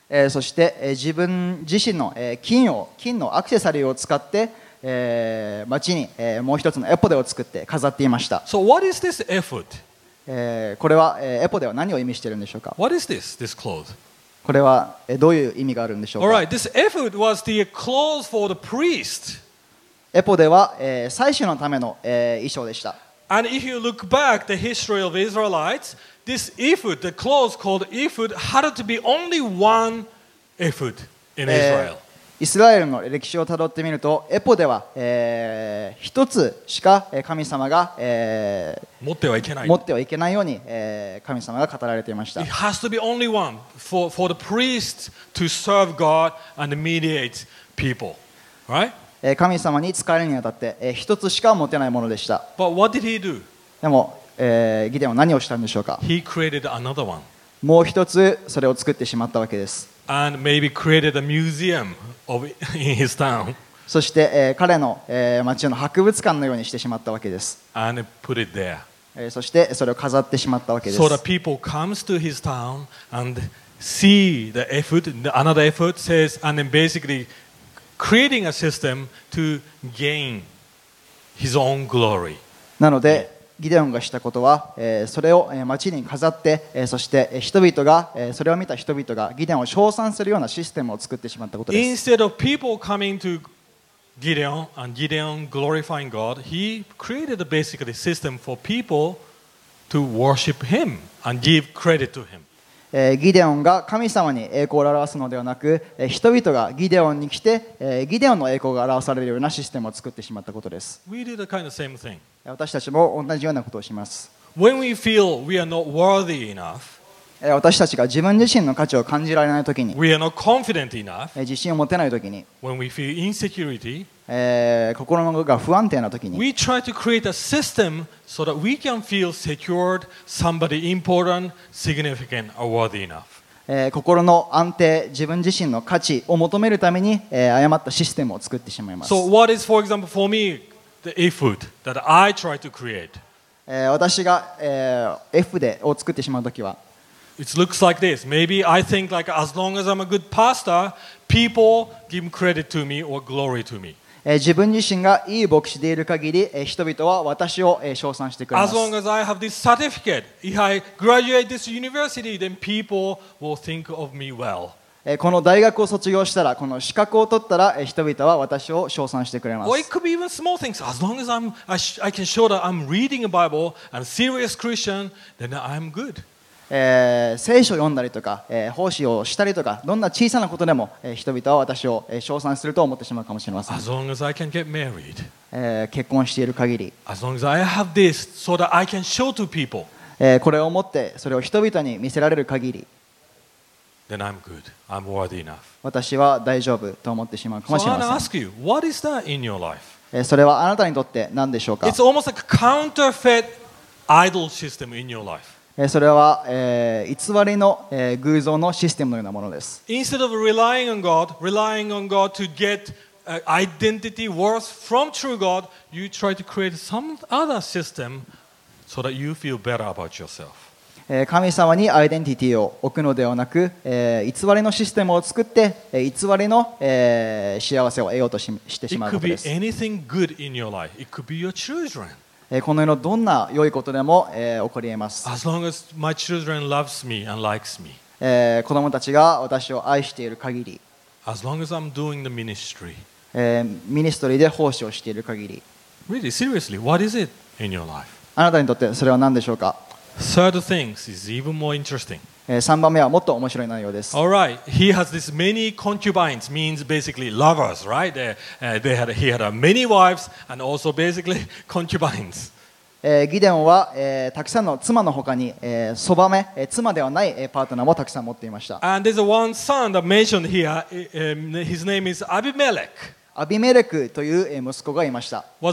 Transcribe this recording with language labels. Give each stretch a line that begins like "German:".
Japanese: そして自分自身の金のアクセサリーを使って町にもう一つのエポデを作って飾っていました。
English: So what is this effort?
Japanese: これはエポデは何を意味しているんでしょうか。
English: What is this clothes?
Japanese: これはどういう意味があるんでしょうか。
English: All right, this effort was the clothes for the priest.
Japanese: エポデは祭司のための衣装でした。
English: And if you look back the history of Israelites,This ephod, the clothes called ephod, had to be only one ephod in Israel.
Japanese: イスラエルの歴史をたどってみると、エポデは一つしか神様が持ってはいけない持ってはいけないように神様が語られていました。
English: It has to be only one for the priest to serve God and mediate people, right?
Japanese: 神様に使えるにあたって、一つしか持てないものでした。
English: But what did he do?
Japanese: でも、ギデオンは何をしたんでしょうか?
English: He created another one.
Japanese: もう一つそれを作ってしまったわけです。
English: And maybe created a museum of, in his town.
Japanese: そして、彼の、町の博物館のようにしてしまったわけです。
English: And put it there.
Japanese: そしてそれを飾ってしまったわけです。
English: So the people comes to his town and see the effort, another effort says, and then basically creating a system to gain his own glory.
Japanese: なので、ギデオンがしたことは、それを町に飾って、そして人々が、それを見た人々がギデオンを称賛するようなシステムを作ってしまったことです。
English: Instead of people coming to Gideon and Gideon glorifying God, he created basically a system for people to worship him and give credit to him.
Japanese: ギデオンが神様に栄光を表すのではなく、人々がギデオンに来て、ギデオンの栄光が表されるようなシステムを作ってしまったことです。
English: We do the kind of same thing.
Japanese: 私たちも同じようなことをします。
English: When we feel we are not worthy enough,
Japanese: 私たちが自分自身の価値を感じられないときに
English: We are not confident enough,
Japanese: 自信を持てないときに
English: When we feel insecurity,
Japanese: 心が不安定なときに
English: We try to create a system so that we can feel secured, somebody important, significant, or worthy enough.
Japanese: 心の安定、自分自身の価値を求めるために、誤ったシステムを作ってしまいます。
English: So what is, for example, for me, the effort that I try to create?
Japanese: 私が、F でを作ってしまうときは
English: It looks like this. Maybe I think like as long as I'm a good pastor, people give credit to me or glory to me.
Japanese: 自分自身がいい牧師でいる限り、人々は私を称賛してくれます。
English: As long as I have this certificate, if I graduate this university, then people will think of me well.
Japanese: この大学を卒業したら、この資格を取ったら、人々は私を称賛してくれます。
English: Or it could be even small things. As long as I can show that I'm reading a Bible and a serious Christian, then I'm good.
Japanese: 聖書を読んだりとか、奉仕をしたりとか、どんな小さなことでも、人々は私を、称賛すると思ってしまうかもしれません。
English: As long as I can get married.
Japanese: 結婚している限り。
English: As long as I have this so that I can show to people.
Japanese: これを持って、それを人々に見せられる限り。
English: Then I'm good. I'm worthy enough.
Japanese: 私は大丈夫と思ってしまうかもしれません。
English: So I want to ask you, what is that in your life?
Japanese: それはあなたにとって何でしょうか?
English: It's almost like a counterfeit idol system in your life.
Japanese: それは、偽りの、偶像のシステムのようなものです。
English: Instead of relying on God, relying on God to get identity worth from true God, you try to create some other system so that you feel better about yourself.
Japanese: 神様にアイデンティティを置くのではなく、偽りのシステムを作って、偽りの、幸せを得ようと してしまうことです。
English: It could be anything good in your life. It could be your children.
Japanese: この世のどんな良いことでも、起こり得ます。
English: As long as my children loves me and likes me.
Japanese: 子供たちが私を愛している限り。
English: As long as I'm doing the ministry.
Japanese: ミニストリーで奉仕をしている限り。
English: Really, seriously, what is it in your life?
Japanese: あなたにとってそれは何でしょうか?
English: Third thing is even more interesting.
Japanese: 3番目はもっと面白い内容です。
English: All right, he has this many concubines, means basically lovers, right? He had many wives and also basically concubines.
Japanese: ギデオンは、たくさんの妻の他に、そばめ、妻ではない、パートナーもたくさん持っていました。
English: And there's one son that mentioned here, his name is Abimelech.
Japanese: アビメレクという息子がいました。